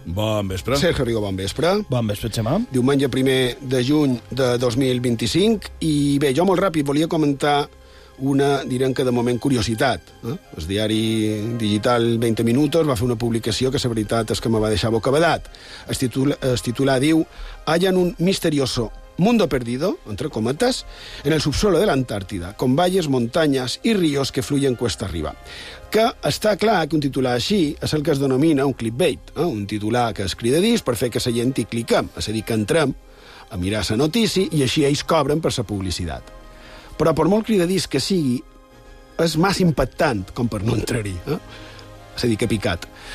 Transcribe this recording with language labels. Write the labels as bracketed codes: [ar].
[ca] Bon vespre. Sergio Rigo, bon vespre. Bon vespre, Xema. Diumenge 1 de juny de 2025, i bé, jo molt ràpid volia comentar una, direm que de moment, curiositat. El diari digital 20 Minutos va fer una publicació que la veritat és que me va deixar bocabadat. El titular diu: [es] "Hallan un misterioso mundo perdido, entre cometas, en el subsuelo de la Antártida, con valles, montañas y ríos que fluyen cuesta arriba". [ca] Que està clar que un titular així és el que es denomina un clickbait, un titular que es crida dins per fer que la gent hi cliquem, és a dir, que entrem a mirar la notícia i així ells cobren per la publicitat. Però per molt cridadís que sigui, és massa impactant com per no entrar-hi. És a dir, que picat.